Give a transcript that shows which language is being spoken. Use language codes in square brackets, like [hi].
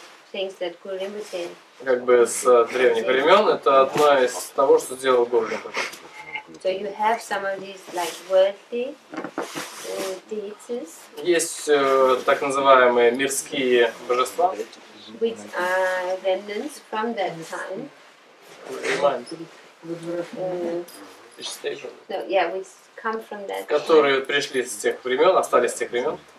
[ru] Как бы с древних времен, это одна из того, что делал Гуру Римпоче. [en] So you have some of these like worldly deities. [ru] Есть так называемые мирские божества. [en] Which are remnants from that time. Which come from that. [ru] Которые пришли с тех времен, остались с тех времен.